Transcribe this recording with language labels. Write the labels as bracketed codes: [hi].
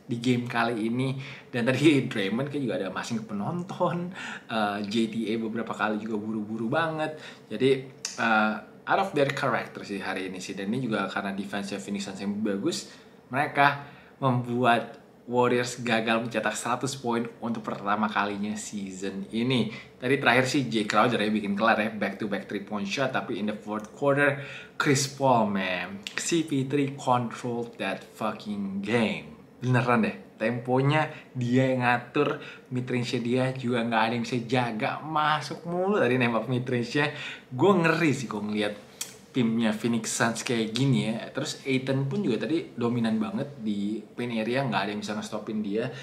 [id] di game kali ini. Dan tadi Draymond kayak juga ada masing ke penonton, JTA beberapa kali juga buru-buru banget. Jadi [en] out of their character [id] sih hari ini sih. Dan ini juga karena defense-nya Phoenix Suns yang bagus, mereka membuat Warriors gagal mencetak 100 poin untuk pertama kalinya season ini. Tadi terakhir sih Jay Crowder ya bikin kelar ya, back-to-back 3-point shot. [en] Tapi in the fourth quarter, Chris Paul, man, CP3 controlled that fucking game. [id] Beneran deh, temponya dia yang ngatur, mid-range-nya dia juga gak ada yang bisa jaga, masuk mulu tadi nembak mid-range-nya. Gue ngeri sih kalau ngeliat timnya Phoenix Suns kayak gini ya. Terus Ayton pun juga tadi dominan banget di paint area, gak ada yang bisa nge-stopin dia.